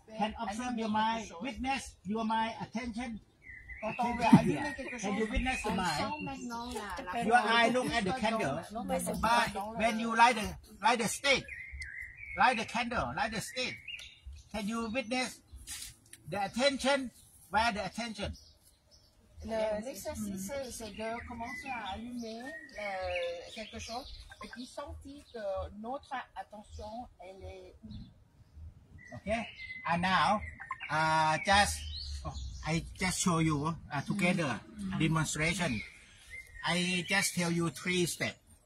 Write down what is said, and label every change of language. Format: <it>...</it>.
<en>Can observe your mind? Witness your mind? Attention. Can you witness the mind? Your eye look at the candle, but when you light the stick, can you witness the attention? Where the attention?</en> <fr>L'exercice c'est de commencer à allumer quelque chose et puis sentir que notre attention elle est.</fr> <en>Okay. And now, just. I just show you together demonstration. I just tell you three steps.</en>